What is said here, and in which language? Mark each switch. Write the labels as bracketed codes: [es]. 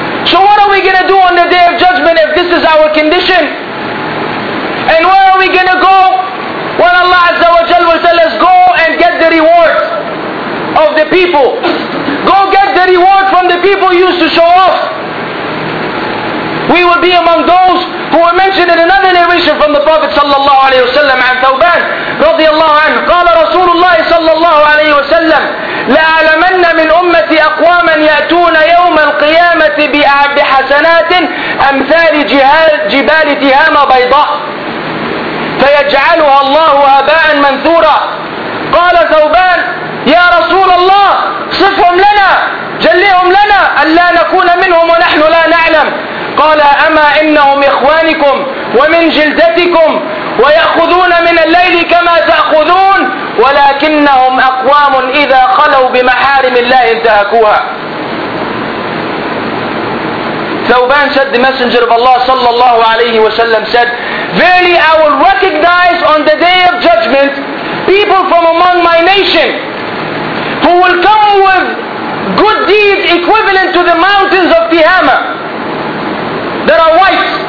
[en] So what are we going to do on the Day of Judgment if this is our condition? And where are we going to go when Allah Azza wa Jal will tell us, go and get the reward of the people. Go get the reward from the people you used to show off. We will be among those who were mentioned in another narration from the Prophet sallallahu alayhi wa sallam [ar] عن ثوبان رضي الله عنه قال رسول الله صلى الله عليه وسلم لألمن من أمتي أقواما يأتون يوم القيامة بحسنات أمثال جبال تهامة بيضاء فيجعلها الله هباء منثورا. قال ثوبان يا رسول الله صفهم لنا جلهم لنا ألا نكون منهم ونحن لا نعلم. قال أما إنهم إخوانكم ومن جلدتكم ويأخذون من الليل كما تأخذون ولكنهم أقوام إذا خلوا بمحارم الله انتهكوها. [en] ثوبان said, the messenger of Allah صلى الله عليه وسلم said, verily I will recognize on the day of judgment people from among my nation who will come with good deeds equivalent to the mountains of Tihama that are white.